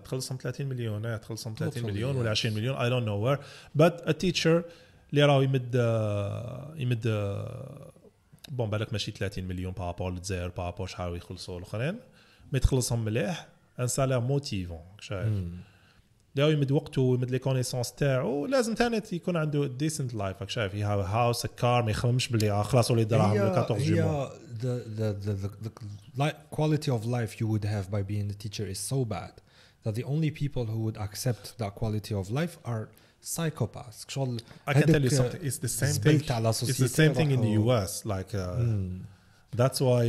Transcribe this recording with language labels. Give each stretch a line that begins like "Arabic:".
English: 30 million, 30 million, or 20 million, I don't know where. But a teacher,
Arabic: لو يمد وقته ويمد لي كونيسونس تاعو لازم ثاني يكون عنده ديسنت لايف راك شايف هي هاوس كار ما يخممش بلي خلاص ولي دراهم 14 جيمو
English: the quality of life you would have by being a teacher is so bad that the only people who would accept that quality of life are psychopaths I can tell you something it's the same thing in the US like that's why